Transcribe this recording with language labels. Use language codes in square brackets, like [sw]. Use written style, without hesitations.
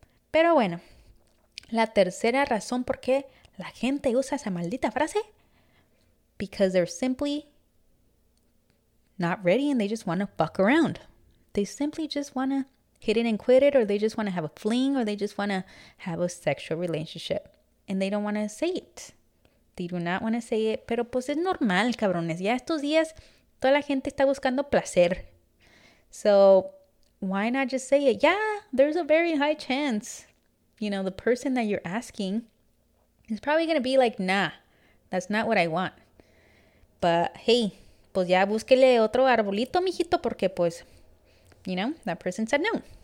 [es] Pero bueno, la tercera razón por qué la gente usa esa maldita frase. [en] Because they're simply not ready and they just want to fuck around. They simply just want to hit it and quit it, or they just want to have a fling, or they just want to have a sexual relationship. And they don't want to say it. They do not want to say it. [es] Pero pues es normal, cabrones. Ya estos días, toda la gente está buscando placer. [en] So, why not just say it? Yeah, there's a very high chance. You know, the person that you're asking is probably going to be like, nah, that's not what I want. But, hey, [es] pues ya búsquele otro arbolito, mijito, porque pues, [en] you know, that person said no.